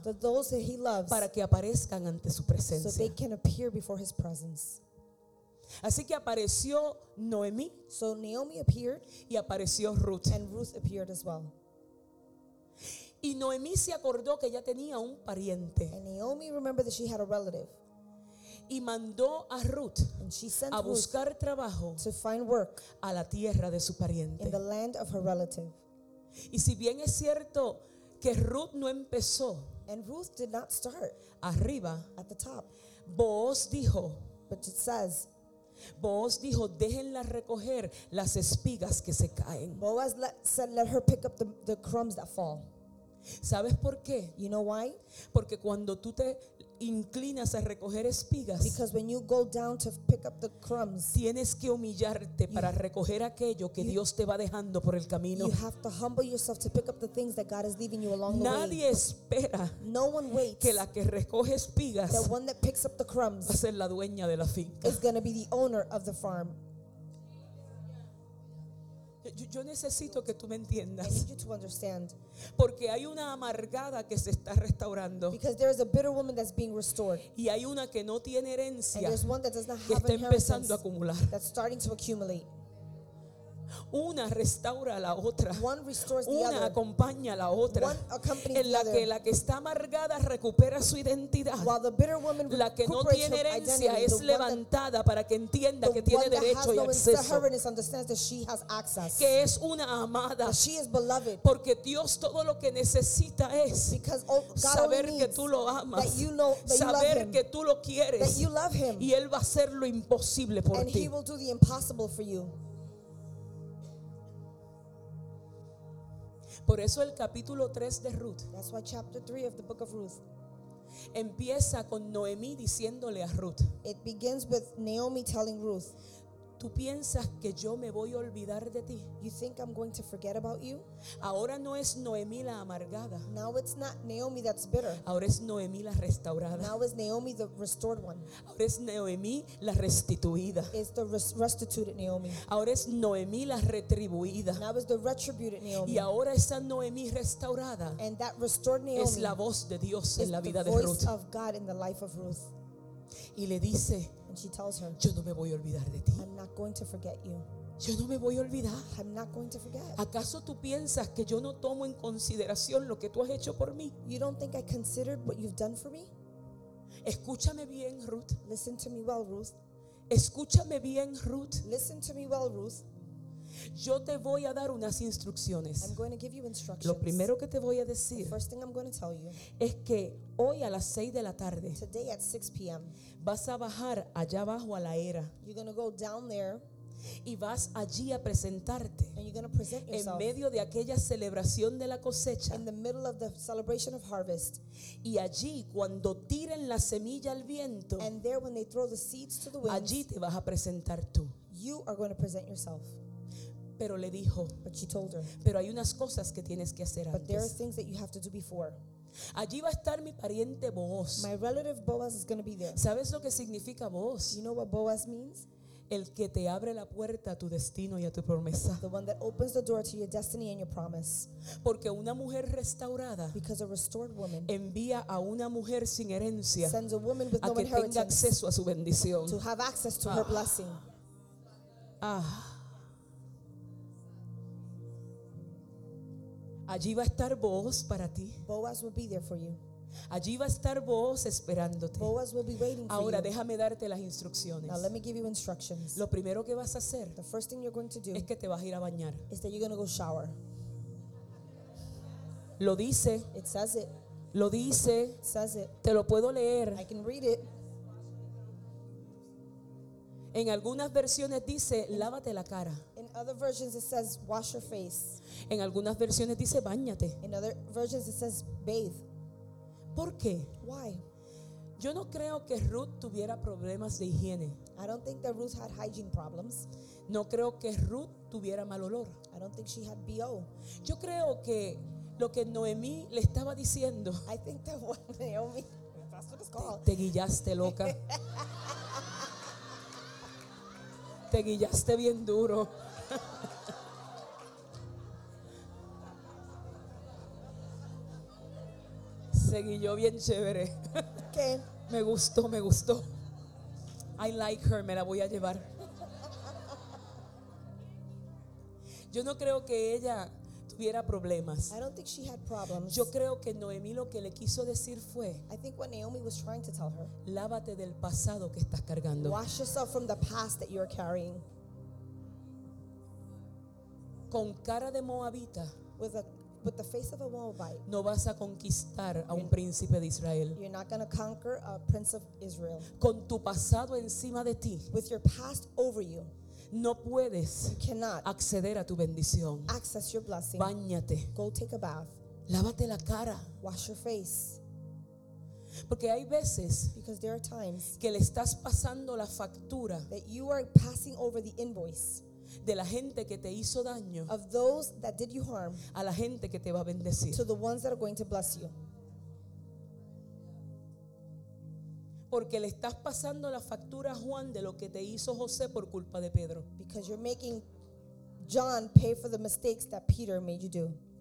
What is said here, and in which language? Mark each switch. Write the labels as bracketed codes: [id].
[en] the those that He loves, [es] para que aparezcan ante su presencia, [en] so they can appear before His presence. [es] Así que apareció Noemi, [en] so Naomi appeared, [es] y apareció Ruth, [en] and Ruth appeared as well. [es] Y Noemi se acordó que ella tenía un pariente, [en] and Naomi remembered that she had a relative, [es] y mandó a Ruth, [en] and she sent [es] a buscar Ruth trabajo, [en] to find work, [es] a la tierra de su pariente, [en] in the land of her relative. [es] Y si bien es cierto que Ruth no empezó, [en] and Ruth did not start [es] arriba, [en] at the top, [es] Boaz dijo, [en] but it says, [es] Boaz dijo, déjenla recoger las espigas que se caen. [en] Boaz said, let her pick up the crumbs that fall. [es] ¿Sabes por qué? [en] You know why? [es] Porque cuando tú te inclinas a recoger espigas, [en] because when you go down to pick up the crumbs, [es] tienes que humillarte para recoger aquello que Dios te va dejando por el camino. [en] You have to humble yourself to pick up the things that God is leaving you along the way. [es] Nadie espera, [en] no one waits, [es] que la que recoge espigas, [en] the one that picks up the crumbs, [es] va a ser la dueña de la finca, [en] is going to be the owner of the farm. [es] Yo necesito que tú me entiendas. [en] I need you to understand. [es] Porque hay una amargada que se está restaurando. [en] Because there is a bitter woman that's being restored. [es] Y hay una que no tiene herencia. [en] And there's one that does not have [es] que está empezando a acumular. [en] That's starting to accumulate. [es] Una restaura a la otra. [en] One restores the [es] una [en] other. [es] Acompaña a la otra. [en] One accompanies [es] en la [en] the [es] que [en] other. [es] La que está amargada recupera su identidad. [en] While the bitter woman [es] la que no tiene herencia es levantada [en] that, [es] para que entienda que tiene derecho no y acceso. [en] Understands that she has access. [es] Que es una amada. [en] That she is beloved. [es] Porque Dios todo lo que necesita es saber que tú lo amas. [en] That you know, that [es] saber [en] you love [es] que [en] him, [es] tú lo quieres. [en] That you love him. [es] Y Él va a hacer lo imposible por [en] and [es] ti. [en] And He will do the impossible for you. [es] Por eso el capítulo 3 de Ruth. [en] That's why chapter 3 of the book of Ruth. [es] Empieza con Noemí diciéndole a Ruth. [en] It begins with Naomi telling Ruth. [es] ¿Tú piensas que yo me voy a olvidar de ti? [en] You think I'm going to forget about you? [es] Ahora no es Noemí la amargada. [en] Now it's not Naomi that's bitter. [es] Ahora es Noemí la restaurada. [en] Now is Naomi the restored one. [es] Ahora es Noemí la restituida. [en] It's the restituted Naomi. [es] Ahora es Noemí la retribuida. [en] Now is the retributed Naomi. [es] Y ahora esa Noemí restaurada. [en] And that restored Naomi [es] es la voz de Dios en la vida de Ruth. [en] The voice of God in the life of Ruth. [es] Y le dice, [en] and she tells her, [es] yo no me voy a olvidar de ti. [en] I'm not going to forget you. [es] Yo no me voy a olvidar. [en] I'm not going to forget. [es] ¿Acaso tú piensas que yo no tomo en consideración lo que tú has hecho por mí? [en] You don't think I considered what you've done for me? [es] Escúchame bien, Ruth. [en] Listen to me well, Ruth. [es] Escúchame bien, Ruth. [en] Listen to me well, Ruth. [es] Yo te voy a dar unas instrucciones. [en] I'm going to give you instructions. [es] Lo primero que te voy a decir, [en] the first thing I'm going to tell you, [es] es que hoy a las 6 de la tarde, [en] today at 6 p.m., [es] vas a bajar allá abajo a la era. [en] You're going to go down there, [es] y vas allí a presentarte, [en] and you're going to present yourself, [es] en medio de aquella celebración de la cosecha, [en] in the middle of the celebration of harvest, [es] y allí cuando tiren la semilla al viento, [en] and there when they throw the seeds to the wind, [es] allí te vas a presentar tú. [en] You are going to present yourself. [es] Pero le dijo, [en] but she told her, [es] pero hay unas cosas que tienes que hacer antes. [en] But there are things that you have to do before. [es] Allí va a estar mi pariente Boaz. [en] My relative Boaz is going to be there. [es] ¿Sabes lo que significa Boaz? [en] You know what Boaz means? [es] El que te abre la puerta a tu destino y a tu promesa. [en] The one that opens the door to your destiny and your promise. [es] Porque una mujer restaurada, [en] because a restored woman, [es] envía a una mujer sin herencia, [en] sends a woman with [es] a [en] no inheritance, [es] tenga acceso a su bendición, [en] to have access to her blessing. [es] Allí va a estar Boaz para ti. [en] Boaz will be there for you. [es] Allí va a estar Boaz esperándote. [en] Boaz will be waiting for you. [es] Ahora déjame darte las instrucciones. [en] Now let me give you instructions. [es] Lo primero que vas a hacer, [en] the first thing you're going to do, [es] es que te vas a ir a bañar. [en] Is that you're going to go shower. [es] Lo dice. [en] It says it. [es] Lo dice. [en] It says it. [es] Te lo puedo leer. [en] I can read it. [es] En algunas versiones dice, lávate la cara. [en] In other versions it says, wash your face. [es] En algunas versiones dice, báñate. [en] In other versions it says, bathe. [es] ¿Por qué? [en] Why? [es] Yo no creo que Ruth tuviera problemas de higiene. [en] I don't think that Ruth had hygiene problems. [es] No creo que Ruth tuviera mal olor. [en] I don't think she had BO. [es] Yo creo que lo que Noemí le estaba diciendo, [en] I think that what Naomi, that's what it's called. [es] Te guillaste, loca. Te guillaste bien duro. Se guilló bien chévere. ¿Qué? Me gustó, me gustó. [en] I like her, [es] me la voy a llevar. Yo no creo que ella tuviera problemas. [en] I don't think she had problems. [es] Yo creo que Noemí lo que le quiso decir fue, [en] I think what Naomi was trying to tell her, [es] lávate del pasado que estás cargando. [en] Wash yourself from the past that you're carrying. [es] Con cara de Moabita, [en] with the face of a Moabite, [es] no vas a conquistar a un príncipe de Israel. [en] You're not going to conquer a prince of Israel. [es] Con tu pasado encima de ti, [en] with your past over you, [es] no puedes, [en] you cannot [es] acceder a tu bendición. [en] Access your blessing. [es] Báñate. [en] Go take a bath. [es] Lávate la cara. [en] Wash your face. [es] Porque hay veces, [en] because there are times, [es] que le estás pasando la factura, [en] that you are passing over the invoice, [es] de la gente que te hizo daño, [en] of those that did you harm, [es] a la gente que te va a bendecir, [en] to the ones that are going to bless you. [es] Porque le estás pasando la factura a Juan de lo que te hizo José por culpa de Pedro. [en] Because you're making John pay for the mistakes that Peter made you do?